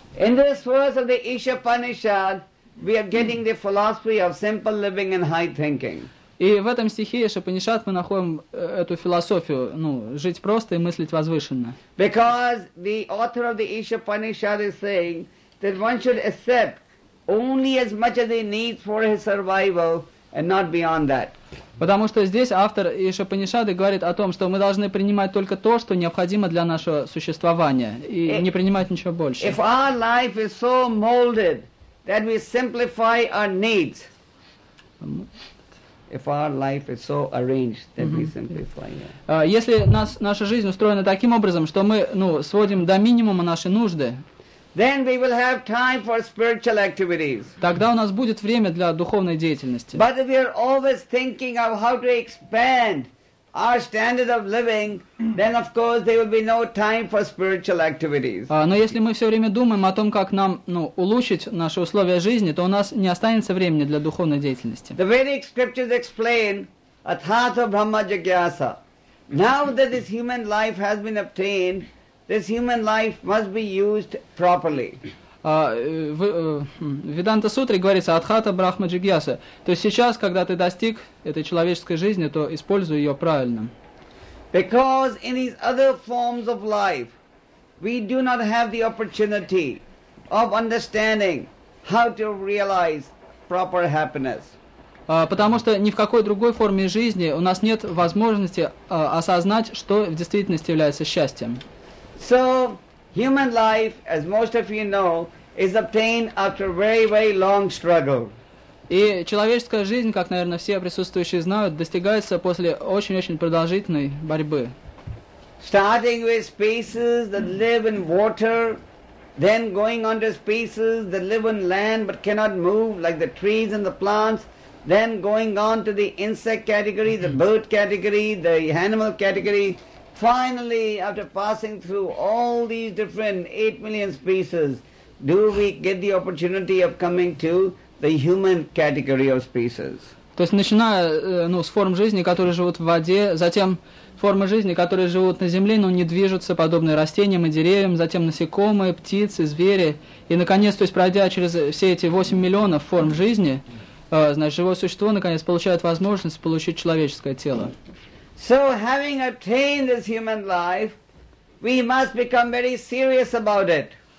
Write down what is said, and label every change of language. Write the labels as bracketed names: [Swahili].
[English] In this verse of the Ishapanishad, we are getting the philosophy of simple living and high thinking. [Russian] И в этом стихе Ишапанишад мы находим эту философию, ну, жить просто и мыслить возвышенно. [English] Because the author of the Ishapanishad is saying that one should accept only as much as he needs for his survival and not beyond that. [Russian] Потому что здесь автор Ишапанишады говорит о том, что мы должны принимать только то, что необходимо для нашего существования, и не принимать ничего больше. [English] If our life is so molded that we simplify our needs, if our life is so arranged that we simplify it. [Russian] Если наша жизнь устроена таким образом, что мы, ну, сводим до минимума наши нужды, [English] then we will have time for spiritual activities. [Russian] Тогда у нас будет время для духовной деятельности. [English] But if we are always thinking of how to expand our standard of living, then of course there will be no time for spiritual activities. [Russian] Но если мы все время думаем о том, как нам, ну, улучшить наши условия жизни, то у нас не останется времени для духовной деятельности. [English] The Vedic scriptures explain [Sanskrit] athatha brahma jagyasa. [English] Now that this human life has been obtained, this human life must be used properly. [Russian] В Веданта Сутре говорится [Sanskrit] «Адхата Брахма Джигьяса». [Russian] То есть сейчас, когда ты достиг этой человеческой жизни, то используй ее правильно. [English] Because in these other forms of life, we do not have the opportunity of understanding how to realize proper happiness. [Russian] Потому что ни в какой другой форме жизни у нас нет возможности осознать, что в действительности является счастьем. [English] So, human life, as most of you know, is obtained after very, very long struggle. [Russian] И человеческая жизнь, как, наверное, все присутствующие знают, достигается после очень-очень продолжительной борьбы. [English] Starting with species that live in water, then going on to species that live on land but cannot move, like the trees and the plants, then going on to the insect category, the bird category, the animal category. Finally, after passing through all these different 8 million species, do we get the opportunity of coming to the human category of species? [Russian] То есть начиная, ну, с форм жизни, которые живут в воде, затем формы жизни, которые живут на земле, но не движутся, подобные растениям и деревьям, затем насекомые, птицы, звери, и наконец, то есть пройдя через все эти 8 миллионов форм жизни, значит, живое существо наконец получает возможность получить человеческое тело. [English] So, having obtained this human life, we must become very serious about it.